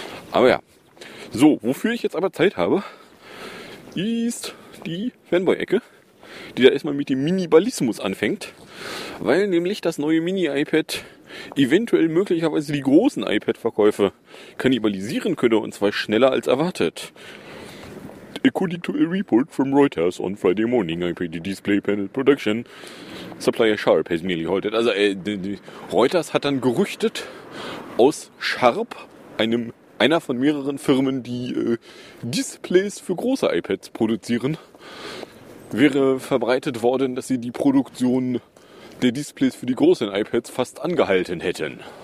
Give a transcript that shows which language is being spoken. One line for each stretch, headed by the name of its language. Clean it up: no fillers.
German: Aber ja, so, wofür ich jetzt aber Zeit habe, ist die Fanboy-Ecke, die da erstmal mit dem Minimalismus anfängt, weil nämlich das neue Mini-iPad eventuell möglicherweise die großen iPad-Verkäufe kannibalisieren könne, und zwar schneller als erwartet.
English: According to a report from Reuters on Friday morning, iPad Display Panel Production, Supplier Sharp has nearly halted.
German: Also Reuters hat dann gerüchtet aus Sharp, einer von mehreren Firmen, die Displays für große iPads produzieren, wäre verbreitet worden, dass sie die Produktion der Displays für die großen iPads fast angehalten hätten.